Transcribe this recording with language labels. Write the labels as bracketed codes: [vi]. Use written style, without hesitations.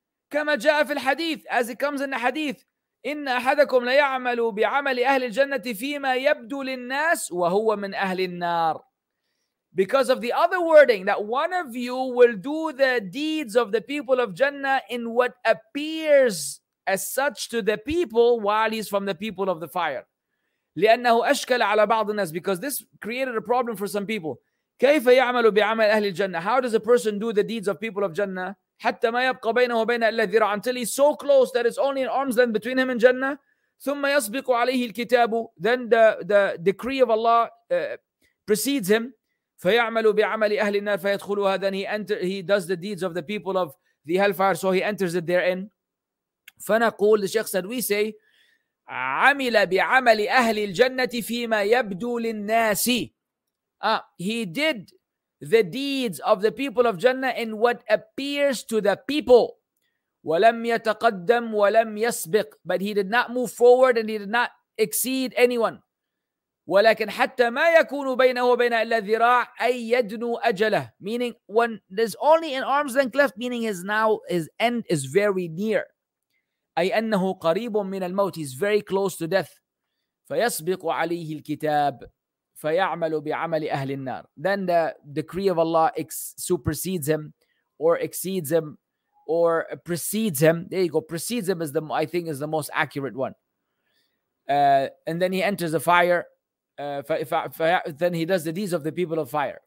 [ar] كما جاء في الحديث, [en] as it comes in the hadith, [ar] إن أحدكم ليعمل بعمل أهل الجنة فيما يبدو للناس وهو من أهل النار. [en] Because of the other wording, that one of you will do the deeds of the people of Jannah in what appears as such to the people while he's from the people of the fire. [ar] لأنه أشكل على بعض الناس, [en] because this created a problem for some people. [ar] كيف يعمل بعمل أهل الجنة? [en] How does a person do the deeds of people of Jannah? [ar] حتى ما يبقى بينه وبين إلا ذراع, [en] until he's so close that it's only an arm's length between him and Jannah. [ar] ثم يسبق عليه الكتاب, [en] then the decree of Allah precedes him. [ar] فيعمل بعمل أهل النار فيدخلها, [en] then he does the deeds of the people of the hellfire, so he enters it therein. [ar] فنقول, [en] the Sheikh said, we say, [ar] عمل بعمل أهل الجنة فيما يبدو للناس. [en] He did the deeds of the people of Jannah in what appears to the people. [ar] ولم يتقدم ولم يسبق, [en] but he did not move forward and he did not exceed anyone. [ar] ولكن حتى ما يكون بينه وبين إلا ذراع أي يدنو أجله, [en] meaning when there's only an arm's length left, meaning his now his end is very near. [ar] أي أنه قريب من الموت, [en] he's very close to death. [ar] فيسبق عليه الكتاب فيعمل بعمل أهل النار. [en] Then the decree of Allah supersedes him, or exceeds him, or precedes him. There you go. Precedes him is the most accurate one. And then he enters the fire. Then he does the deeds of the people of fire.